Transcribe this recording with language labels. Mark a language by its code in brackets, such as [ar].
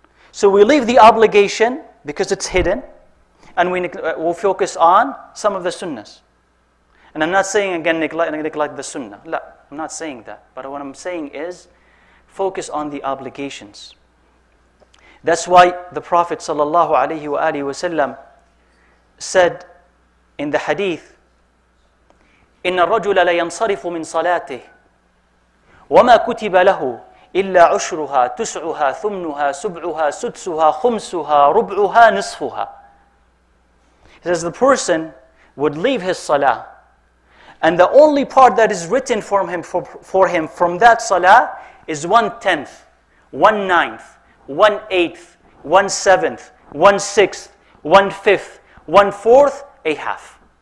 [en] So we leave the obligation because it's hidden. And we'll focus on some of the sunnahs. And I'm not saying again neglect the sunnah. No, I'm not saying that. But what I'm saying is focus on the obligations. That's why the Prophet sallallahu alaihi wa alihi wasallam said in the hadith, [ar] إِنَّ الرَّجُلَ لَيَنْصَرِفُ مِنْ صَلَاتِهِ وَمَا كُتِبَ لَهُ إِلَّا عُشْرُهَا تُسْعُهَا ثُمْنُهَا سُبْعُهَا سُدْسُهَا خُمْسُهَا رُبْعُهَا نِصْفُهَا. [en] He says the person would leave his salah, and the only part that is written for him from that salah is 1/10, 1/9, 1/8, 1/7, 1/6, 1/5, 1/4, a half.